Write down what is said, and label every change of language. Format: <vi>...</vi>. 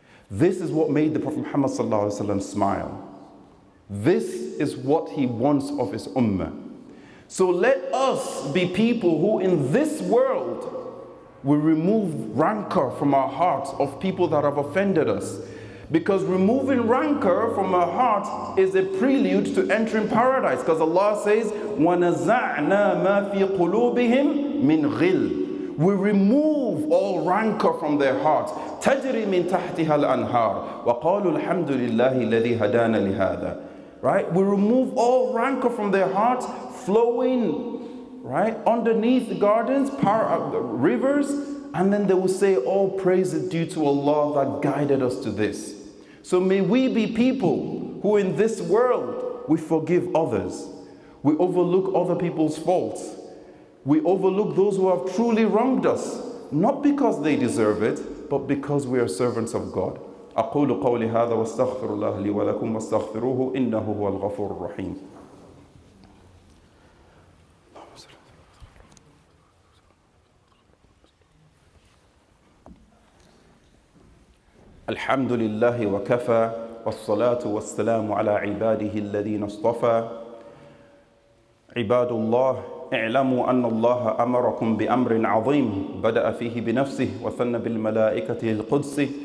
<en>This is what made the Prophet Muhammad sallallahu alaihi wasallam smile. This is what he wants of his ummah. So let us be people who in this world will remove rancor from our hearts of people that have offended us. Because removing rancor from our hearts is a prelude to entering paradise. Because Allah says,</en> <ar>وَنَزَعْنَا مَا فِي قُلُوبِهِمْ مِنْ غِلٍ.</ar> <en>We remove all rancor from their hearts.</en> <ar>تَجْرِ مِنْ تَحْتِهَا الْأَنْهَارِ وَقَالُوا الْحَمْدُ لِلَّهِ الَّذِي هَدَانَ لِهَذَا.</ar> <en>Right? We remove all rancor from their hearts, flowing, right, underneath the gardens, rivers, and then they will say, all praise is due to Allah that guided us to this. So may we be people who in this world, we forgive others. We overlook other people's faults. We overlook those who have truly wronged us, not because they deserve it, but because we are servants of God.</en> <ar>أقول قولي هذا واستغفر الله لي ولكم واستغفروه إنه هو الغفور الرحيم. الحمد لله وكفى والصلاة والسلام على عباده الذين اصطفى عباد الله اعلموا أن الله أمركم بأمر عظيم بدأ فيه بنفسه وثنى بالملائكة القدس</ar>